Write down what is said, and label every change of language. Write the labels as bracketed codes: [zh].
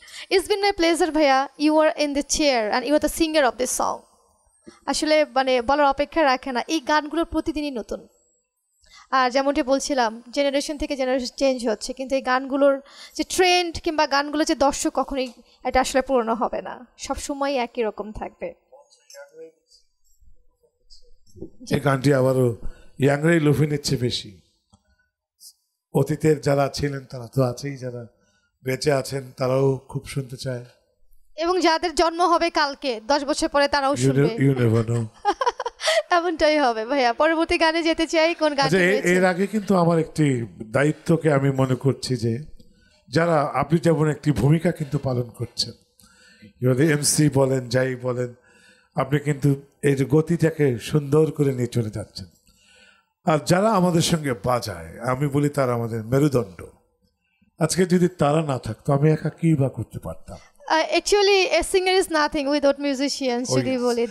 [en] It's been my pleasure, bhaiya. You are in the chair and you are the singer of this song. [bn] আসলে মানে বলার অপেক্ষা রাখে না এই গানগুলোর প্রতিদিনই নতুন আর যেমনটি বলছিলাম জেনারেশন থেকে জেনারেশন চেঞ্জ হচ্ছে, কিন্তু এই গানগুলোর যে ট্রেন্ড কিংবা গানগুলোর যে দর্শক কখনোই এটা আসলে পূর্ণ হবে না, সব সময় একই রকম থাকবে। এই গানটি আবারও ইয়াংরাই লুফে নিচ্ছে বেশি, অতীতের যারা ছিলেন তারা তো আছেই, যারা বেঁচে আছেন তারাও খুব শুনতে চায়, এবং যাদের জন্ম হবে কালকে 10 বছর পরে তারাও শুনবে। এমনটাই হবে ভাইয়া। পরবর্তী গানে যেতে চাই, কোন গান? এর আগে কিন্তু আমার একটি দায়িত্বকে আমি মনে করছি যে যারা, আপনি যেমন একটি ভূমিকা কিন্তু পালন করছেন, যদি এমসি বলেন যাই বলেন, আপনি কিন্তু এর গতিটাকে সুন্দর করে নিয়ে চলে যাচ্ছেন। আর যারা আমাদের সঙ্গে বাজায়, আমি বলি তারা আমাদের মেরুদণ্ড। আজকে যদি তারা না থাকতো আমি একা কী বা করতে পারতাম? [en] Actually, a singer is nothing without musicians, should we say.